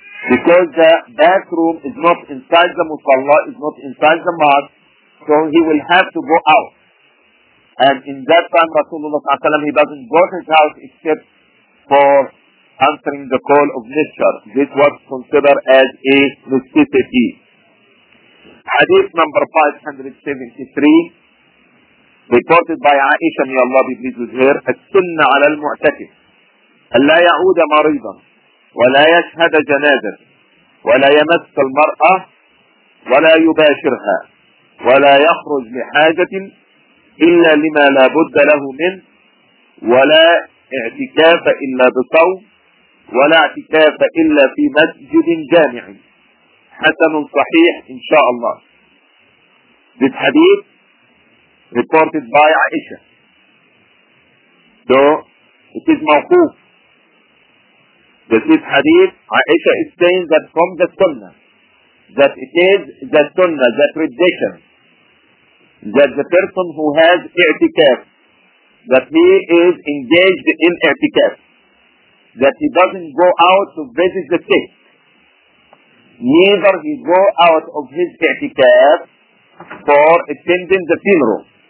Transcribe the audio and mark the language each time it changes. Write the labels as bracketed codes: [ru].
[en] Because the bathroom is not inside the musalla, is not inside the mosque, so he will have to go out. And in that time, Rasulullah ﷺ, he doesn't go to his house except for answering the call of nature. This was considered as a necessity. Hadith number 573. Reported by Aisha, may Allah be pleased with her, [ar] السُنَّ عَلَى الْمُعْتَكِفِ أَلَّا يَعُودَ مَرِيضًا وَلَا يَشْهَدَ جَنَازَةً وَلَا يَمَسَّ الْمَرْأَةَ وَلَا يُبَاشِرْهَا وَلَا يَخْرُجْ لِحَاجَةٍ إِلَّا لِمَا لَا بُدَّ لَهُ مِنْ وَلَا اِعْتِكَافَ إِلَّا بِصَوْمٍ وَلَا اِعْتِكَافَ إِلَّا فِي مَسْجِدٍ جَامِعٍ. حسن صحيح إن شاء الله. [en] This hadith reported by Aisha. So, it is mawquf. This hadith, Aisha is saying that from the sunnah, that it is the sunnah, the tradition, that the person who has i'tikaf, that he is engaged in i'tikaf, that he doesn't go out to visit the sick, neither he go out of his i'tikaf for attending the funeral.